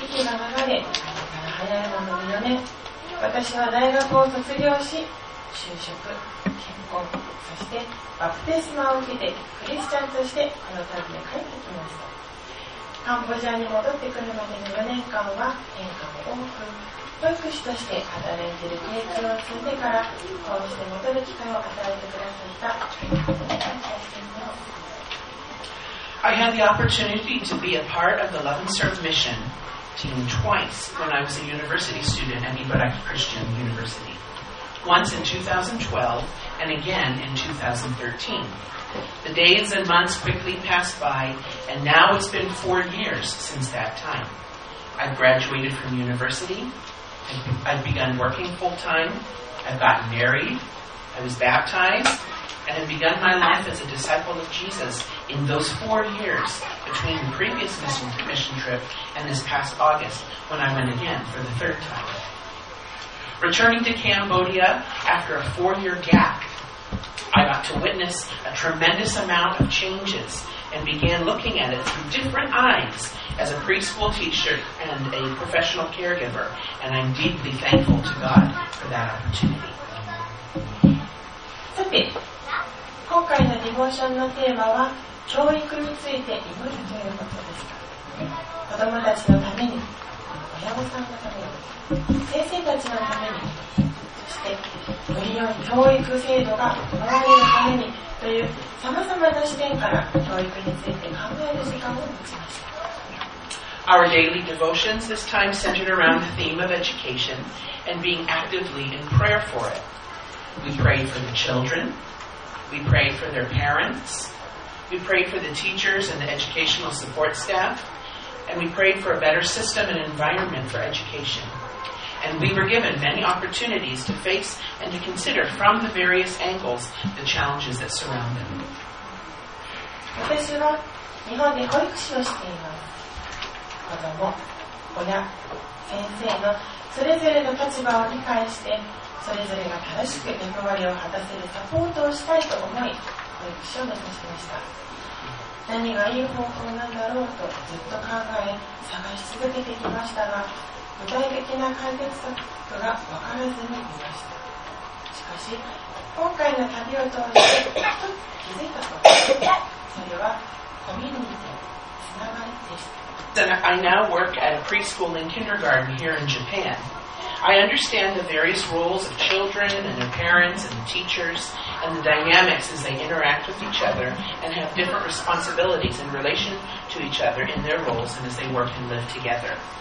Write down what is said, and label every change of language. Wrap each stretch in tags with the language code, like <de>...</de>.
<ja>月日が流れ、早いもので4年、私は大学を卒業し、就職、結婚、そしてバプテスマを受けてクリスチャンとしてこの旅へ帰ってきました。カンボジアに戻ってくるまでの4年間は変化も多く、保育士として働いている経験を積んでからこうして戻る機会を与えてくださったということで感謝しています。</ja> <en>I had the opportunity to be a part of the Love and Serve Mission team twice when I was a university student at Ibaraki Christian University. Once in 2012 and again in 2013. The days and months quickly passed by, and now it's been 4 years since that time. I've graduated from university, I've begun working full-time, I've gotten married, I was baptized, and have begun my life as a disciple of Jesus in those 4 years between the previous mission trip and this past August when I went again for the third time. Returning to Cambodia after a 4-year gap, I got to witness a tremendous amount of changes and began looking at it through different eyes as a preschool teacher and a professional caregiver, and I'm deeply thankful to God for that opportunity.</en> <ja>さて、今回のディボーションのテーマは教育について祈るということですか。子どもたちのために、親御さんのために、先生たちのために、そしてより良い教育制度が行われるためにというさまざまな視点から教育について考える時間を持ちました。</ja> <en>Our daily devotions this time centered around the theme of education and being actively in prayer for it. We prayed for the children. We prayed for their parents. We prayed for the teachers and the educational support staff. And we prayed for a better system and environment for education. And we were given many opportunities to face and to consider from the various angles the challenges that surround them.</en> <ja>私は日本で保育士をしています。子ども、親、先生のそれぞれの立場を理解してそれぞれが正しく役割を果たせるサポートをしたいと思い保育士を目指しました。何がいい方法なんだろうとずっと考え探し続けてきましたが、具体的な解決策が分からずにいました。しかし今回の旅を通して一つ気づいたこと、それはコミュニティ、つながりでした。</ja> <en>I now work at a preschool and kindergarten here in JapanI understand the various roles of children and their parents and the teachers and the dynamics as they interact with each other and have different responsibilities in relation to each other in their roles and as they work and live together.</en>